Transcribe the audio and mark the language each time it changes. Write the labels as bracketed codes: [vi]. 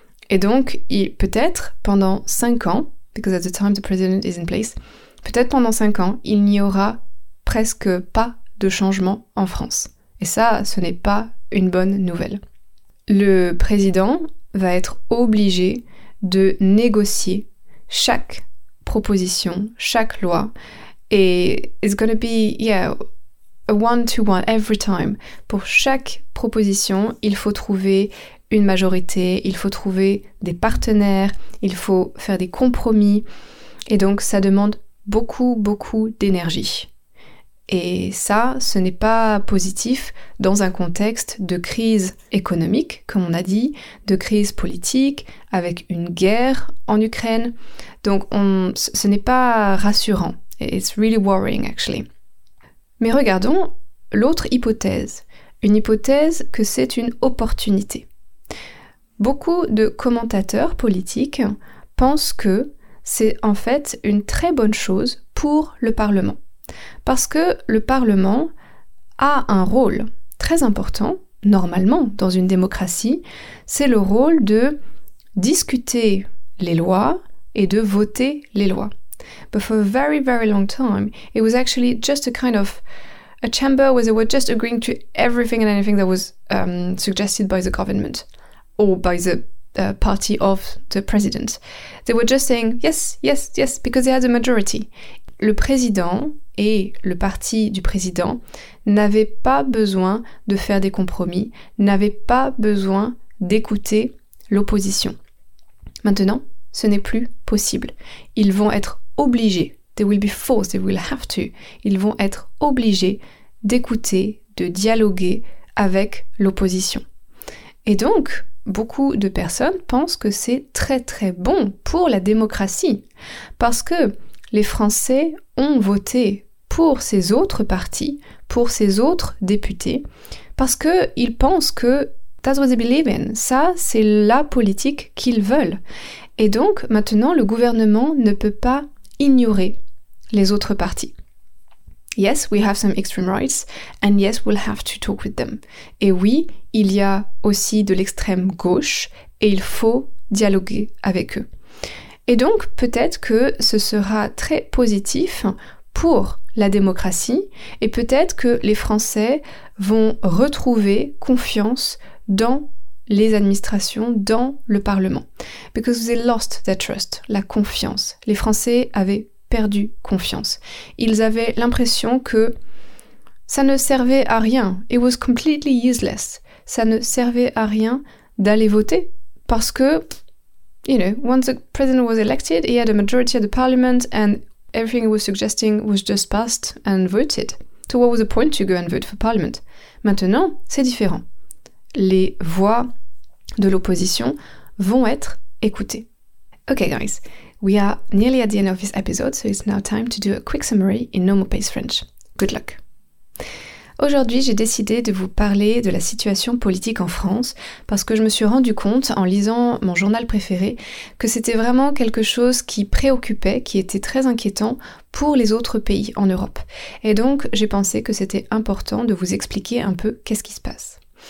[fr] Et donc, peut-être pendant 5 ans, [en] because at the time the president is in place, [fr] peut-être pendant 5 ans, il n'y aura presque pas de changement en France. Et ça, ce n'est pas une bonne nouvelle. Le président va être obligé de négocier chaque proposition, chaque loi. Et [en] it's gonna be, yeah, a one-to-one every time. [fr] Pour chaque proposition, il faut trouver une majorité, il faut trouver des partenaires, il faut faire des compromis. Et donc, ça demande beaucoup, beaucoup d'énergie. Et ça, ce n'est pas positif dans un contexte de crise économique, comme on a dit, de crise politique, avec une guerre en Ukraine. Donc, ce n'est pas rassurant. [en] It's really worrying, actually. [fr] Mais regardons l'autre hypothèse. Une hypothèse que c'est une opportunité. Beaucoup de commentateurs politiques pensent que c'est en fait une très bonne chose pour le Parlement. Parce que le Parlement a un rôle très important, normalement, dans une démocratie. C'est le rôle de discuter les lois et de voter les lois. [en] But for a very, very long time, it was actually just a kind of a chamber where they were just agreeing to everything and anything that was suggested by the government or by the party of the president. They were just saying yes, yes, yes, because they had a majority. [fr] Le président et le parti du président n'avaient pas besoin de faire des compromis, n'avaient pas besoin d'écouter l'opposition. Maintenant, ce n'est plus possible. Ils vont être obligés, [en] they will be forced, they will have to, [fr] ils vont être obligés d'écouter, de dialoguer avec l'opposition. Et donc, beaucoup de personnes pensent que c'est très très bon pour la démocratie, parce que les Français ont voté pour ces autres partis, pour ces autres députés, parce qu'ils pensent que [en] that's what they believe in, [fr] ça c'est la politique qu'ils veulent. Et donc maintenant le gouvernement ne peut pas ignorer les autres partis. [en] Yes, we have some extreme rights, and yes, we'll have to talk with them. [fr] Et oui, il y a aussi de l'extrême gauche, et il faut dialoguer avec eux. Et donc, peut-être que ce sera très positif pour la démocratie, et peut-être que les Français vont retrouver confiance dans les administrations, dans le Parlement. [en] Because they lost their trust, [fr] la confiance. Les Français avaient perdu confiance. Ils avaient l'impression que ça ne servait à rien. [en] It was completely useless. [fr] Ça ne servait à rien d'aller voter parce que, [en] you know, once the president was elected, he had a majority of the parliament and everything he was suggesting was just passed and voted. So what was the point to go and vote for parliament? [fr] Maintenant, c'est différent. Les voix de l'opposition vont être écoutées. [en] Okay, guys. We are nearly at the end of this episode, so it's now time to do a quick summary in normal pace French. Good luck. [fr] Aujourd'hui, j'ai décidé de vous parler de la situation politique en France parce que je me suis rendu compte, en lisant mon journal préféré, que c'était vraiment quelque chose qui préoccupait, qui était très inquiétant pour les autres pays en Europe. Et donc, j'ai pensé que c'était important de vous expliquer un peu qu'est-ce qui se passe.